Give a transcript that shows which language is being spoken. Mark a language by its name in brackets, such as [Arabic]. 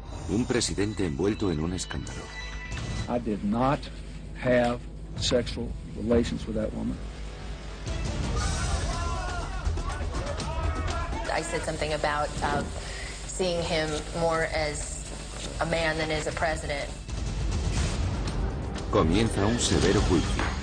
[Spanish] Un presidente envuelto en un escándalo. [English] I did not have sexual relations with that woman. I said something about seeing him more as a man than as a president. [Spanish] Comienza un severo juicio.